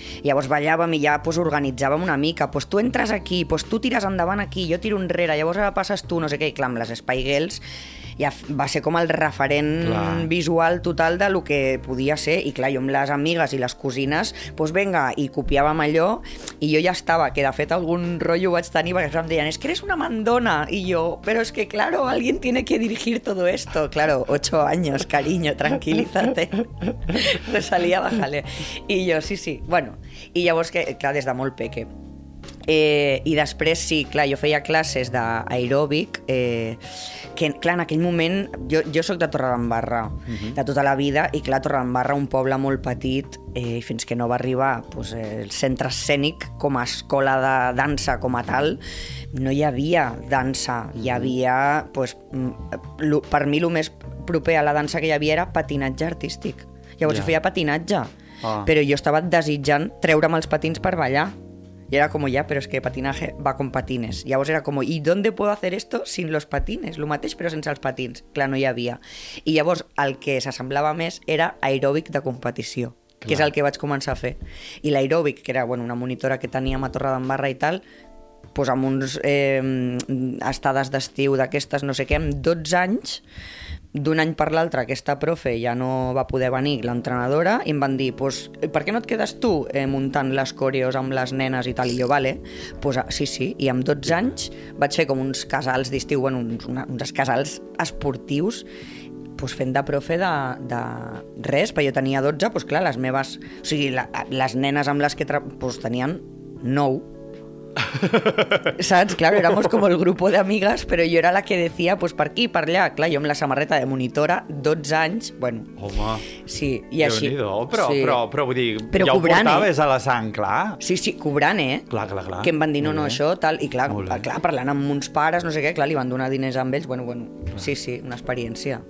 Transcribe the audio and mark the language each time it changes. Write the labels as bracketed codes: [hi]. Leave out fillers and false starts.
[ca] Llavors ballàvem i ja pues, organitzàvem una mica, pues, tu entres aquí, pues, tu tires endavant aquí, jo tiro enrere, llavors ara passes tu, no sé què, i clar, amb les Spice Girls ja va ser com el referent visual total de lo que podia ser. I clar, jo amb les amigues i les cosines, doncs venga, i copiàvem allò, i jo ja estava, que de fet algun rotllo vaig tenir, perquè em deien, és que eres una mandona, i jo, però és que claro, [es] alguien tiene que dirigir todo esto. Claro, 8 años, cariño, tranquilízate. Resalía, bájale. [ca] I jo, sí, sí, bueno. I llavors, que, clar, des de molt peque. I després, sí, clar, jo feia classes d'aeròbic, que, clar, en aquell moment, jo soc de Torredembarra, de tota la vida, i clar, Torredembarra, un poble molt petit, fins que no va arribar pues, el centre escènic com a escola de dansa com a tal, no hi havia dansa, hi havia, pues, per mi, el més proper a la dansa que hi havia era patinatge artístic. Llavors feia patinatge, però jo estava desitjant treure'm els patins per ballar. [es] Y era como, ya, pero es que patinaje va con patines. Y a vos era como, ¿y dónde puedo hacer esto sin los patines? [ca] Lo mateix, pero sense els patins. Clar, no hi havia. I llavors, el que s'assemblava més era aeròbic de competició, clar, que és el que vaig començar a fer. I l'aeròbic, que era bueno, una monitora que teníem a Torredembarra i tal, pues amb uns estades d'estiu d'aquestes, no sé què, amb 12 anys, d'un any per l'altre, aquesta profe ja no va poder venir, l'entrenadora, i em van dir, pues, per què no et quedes tu muntant les coreos amb les nenes i tal? I jo, vale, pues, sí, sí. I amb 12 anys vaig fer com uns casals d'estiu, bueno, uns casals esportius, pues, fent de profe de res, perquè jo tenia 12, pues, clar, les meves... O sigui, les nenes amb les que pues, tenien 9. Saps? [es] Claro, éramos como el grupo de amigas, pero yo era la que decía, [ca] pues per aquí, per allà. Clar, jo amb la samarreta de monitora, 12 anys, bueno. Home, sí, i així. Però vull dir, però ja cobrant, ho portaves a la sang, clar. Sí, sí, cobrant, eh? Clar, clar, clar. Que em van dir, no, això, tal. I clar, clar, parlant amb uns pares, no sé què, clar, li van donar diners amb ells, bueno, sí, sí, una experiència.